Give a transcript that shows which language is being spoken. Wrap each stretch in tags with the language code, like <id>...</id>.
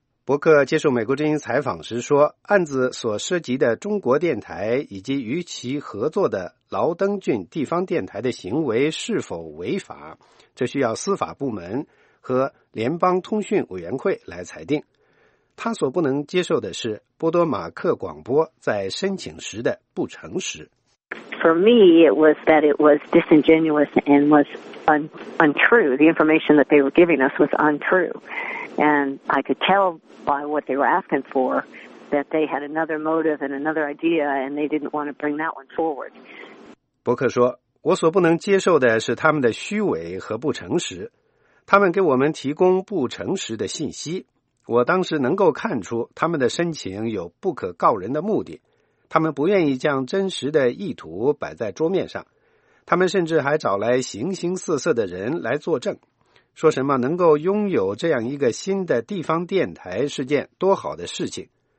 <zh>伯克接受美国之音采访时说，案子所涉及的中国电台以及与其合作的劳登郡地方电台的行为是否违法，这需要司法部门和联邦通讯委员会来裁定。他所不能接受的是波多马克广播在申请时的不诚实。</zh> <en>For me, it was that it was disingenuous and was untrue. The information that they were giving us was untrue. And I could tell by what they were asking for that they had another motive and another idea, and they didn't want to bring that one forward.</en> <zh>伯克说，我所不能接受的是他们的虚伪和不诚实。他们给我们提供不诚实的信息。我当时能够看出他们的申请有不可告人的目的，他们不愿意将真实的意图摆在桌面上，他们甚至还找来形形色色的人来作证，说什么能够拥有这样一个新的地方电台是件多好的事情。</zh>